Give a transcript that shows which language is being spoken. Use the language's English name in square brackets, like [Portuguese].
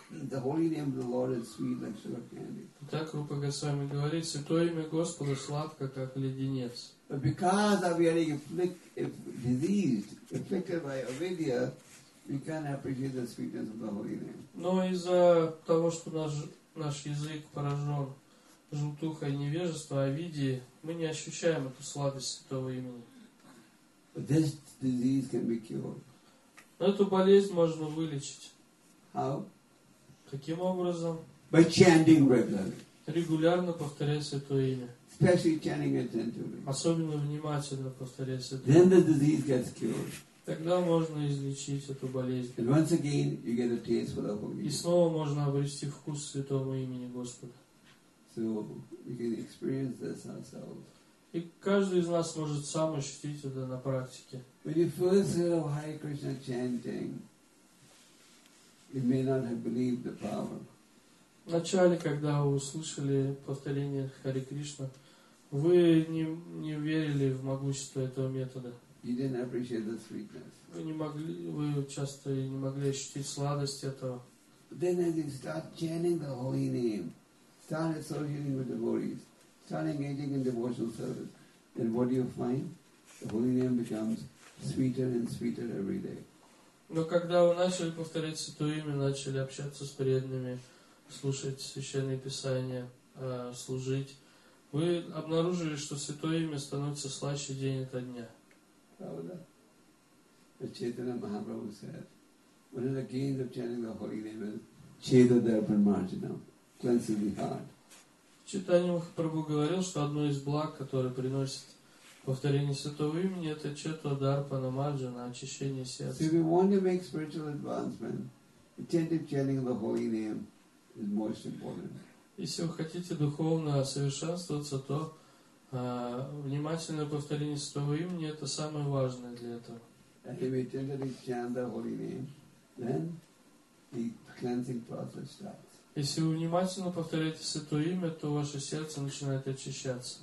[Russian] Так Рупа Госвами говорит, святое имя Господа сладко, как леденец. [English] But because of the afflicted by avidya, we can't appreciate the sweetness of the holy name. [Russian] Но из-за того, что наш язык поражен желтухой невежества, авидии, мы не ощущаем эту сладость святого имени. [English] But this disease can be cured. [Russian] Но эту болезнь можно вылечить. [English] How? [Russian] Каким образом? [English] By chanting regularly. [Russian] Регулярно повторять святое имя. [English] Especially chanting attentively. [Russian] Особенно внимательно повторять святое имя. [English] Then the disease gets cured. [Russian] Тогда можно излечить эту болезнь. [English] And once again, you get a taste for the Holy Name. [Russian] И снова можно обрести вкус святого имени Господа. [English] So we can experience this ourselves. [Russian] И каждый из нас может сам ощутить это на практике. [English] When you first heard of Hare Krishna chanting, you may not have believed the power. [Russian] В начале, когда вы услышали повторение Хари Кришна, вы не верили в могущество этого метода. [English] You didn't appreciate the sweetness. [Russian] Вы часто не могли ощутить сладость этого. [English] Then as you start chanting the holy name, start associating with devotees, start engaging in devotional service, then what do you find? The holy name becomes sweeter and sweeter every day. [Russian] Но когда вы начали повторять святое имя, начали общаться с преданными, слушать священные писания, служить, вы обнаружили, что святое имя становится слаще день ото дня. Правда? [English] Чайтанья Махапрабху said, one of the gains of chanting the holy name is Cheta Darpan Marjanam, cleansing the heart. [Russian] Чайтанья Махапрабху говорил, что одно из благ, которое приносит повторение святого имени, это Чета Дарпана Марджана, очищение сердца. [English] So if you want to make spiritual advancement, attentive chanting the holy name is most important. [Russian] Если вы хотите духовно совершенствоваться, то внимательное повторение святого имени это самое важное для этого. [English] And if you attentively chant the holy name, then the cleansing process starts. [Russian] Если вы внимательно повторяете святое имя, то ваше сердце начинает очищаться.